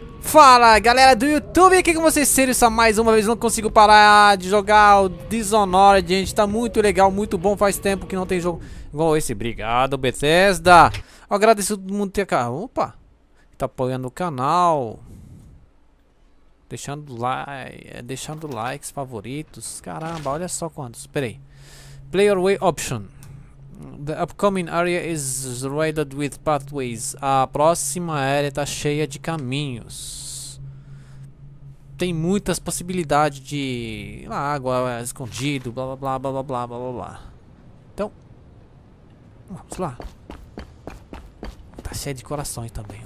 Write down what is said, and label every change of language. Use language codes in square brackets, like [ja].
[pt] Fala galera do YouTube, aqui com vocês, sério, só mais uma vez, não consigo parar de jogar o Dishonored, gente, tá muito legal, muito bom, faz tempo que não tem jogo igual esse, obrigado Bethesda, eu agradeço todo mundo ter, opa, tá apoiando o canal, deixando likes, favoritos, caramba, olha só quantos, peraí, [en] player way option. The upcoming area is riddled with pathways. [pt] A próxima área está cheia de caminhos. Tem muitas possibilidades de água escondido, blá blá blá blá blá blá blá blá. Então, vamos lá. Tá cheia de corações também.